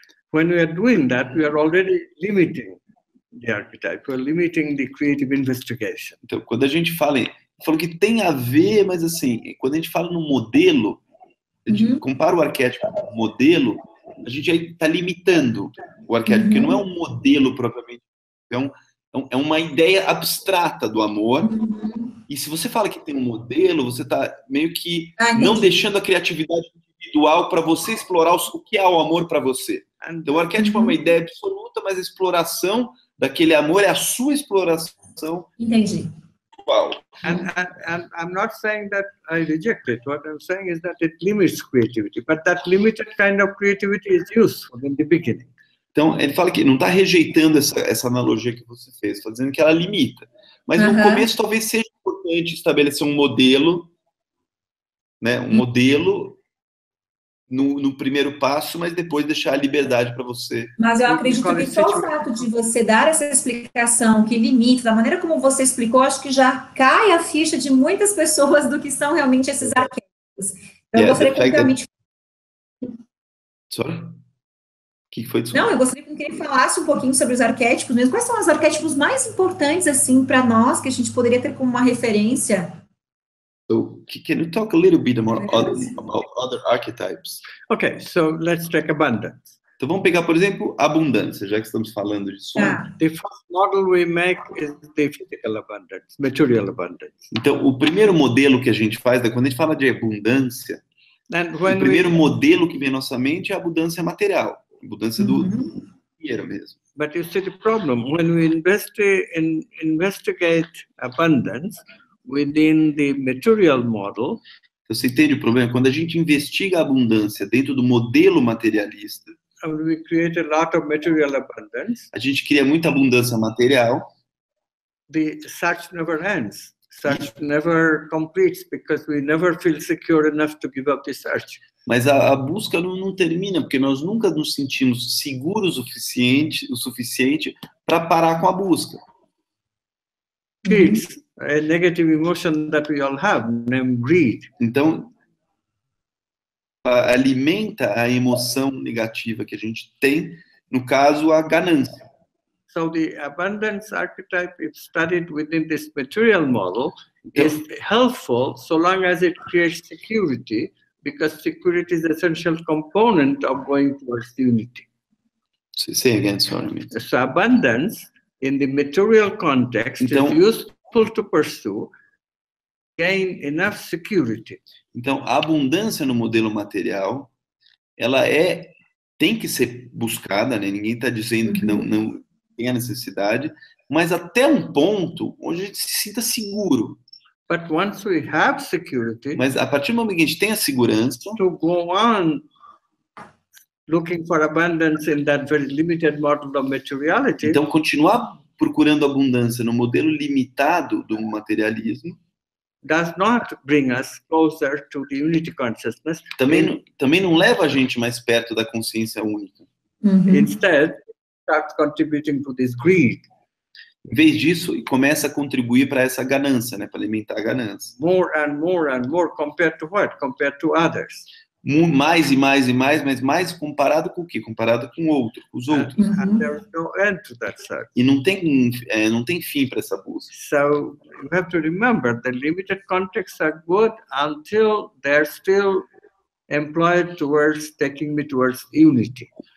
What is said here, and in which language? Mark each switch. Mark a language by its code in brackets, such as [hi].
[en] When we are doing that, we are already limiting the archetype. We are limiting the creative investigation. [pt] Então, quando a gente fala falou que tem a ver, mas assim, quando a gente fala no modelo, a gente compara o arquétipo com o modelo, a gente aí está limitando o arquétipo, porque não é um modelo propriamente. É uma ideia abstrata do amor. E se você fala que tem um modelo, você está meio que não deixando a criatividade individual para você explorar o que é o amor para você. Então, o arquétipo é uma ideia absoluta, mas a exploração daquele amor é a sua exploração. Entendi. Wow. [en] And I'm not saying that I reject it. What I'm saying is that it limits creativity, but that limited kind of creativity is useful in the beginning. [pt] Então, ele fala que não está rejeitando essa analogia que você fez, está dizendo que ela limita. Mas no começo talvez seja importante estabelecer um modelo, né? Um modelo no primeiro passo, mas depois deixar a liberdade para você. Mas eu acredito que só o fato de você dar essa explicação que limita, da maneira como você explicou, acho que já cai a ficha de muitas pessoas do que são realmente esses arquétipos. Então, eu gostaria que realmente... [en] Sorry? [pt] O que foi? Não, eu gostaria que ele falasse um pouquinho sobre os arquétipos mesmo. Quais são os arquétipos mais importantes, assim, para nós, que a gente poderia ter como uma referência? [en] So, can you talk a little bit more about other archetypes? Okay, so let's take abundance. [pt] Então vamos pegar, por exemplo, abundância, já que estamos falando de sonho. [en] The first model we make is the physical abundance, material abundance. [pt] Então, o primeiro modelo que a gente faz, quando a gente fala de abundância, o primeiro modelo que vem à nossa mente é a abundância material, abundância do dinheiro mesmo. [en] But you see the problem, when we investigate abundance within the material model. [pt] Você entende o problema? Quando a gente investiga a abundância dentro do modelo materialista, [en] we create a lot of material abundance. [pt] A gente cria muita abundância material. [en] The search never ends. Search never completes because we never feel secure enough to give up the search. [pt] Mas a busca não termina porque nós nunca nos sentimos seguros o suficiente para parar com a busca. [en] It's a negative emotion that we all have, named greed. [pt] Então alimenta a emoção negativa que a gente tem, no caso a ganância. [en] So the abundance archetype, if studied within this material model, então, is helpful so long as it creates security, because security is an essential component of going towards unity. Say again, sorry. So abundance in the material context, então, is useful to pursue, gain enough security. [pt] Então, a abundância no modelo material, ela tem que ser buscada, né? Ninguém está dizendo que não tem a necessidade, mas até um ponto onde a gente se sinta seguro. [en] But once we have security, [pt] mas a partir do momento que a gente tem a segurança, [en] to go on looking for abundance in that very limited model of materiality, [pt] então continuar procurando abundância no modelo limitado do materialismo, [en] does not bring us closer to the unity consciousness. [pt] Também não leva a gente mais perto da consciência única. [en] Uh-huh. Instead, starts contributing to this greed. [pt] Em vez disso, começa a contribuir para essa ganância, né, para alimentar a ganância. [en] More and more and more compared to what? Compared to others. [pt] Mais e mais e mais, mas mais comparado com o quê? Comparado com o outro, com os outros. [en] And there is no end to that search. [pt] E não tem fim para essa busca. [en] So, you have to remember, the limited contexts are good until they're still employed towards taking me towards unity.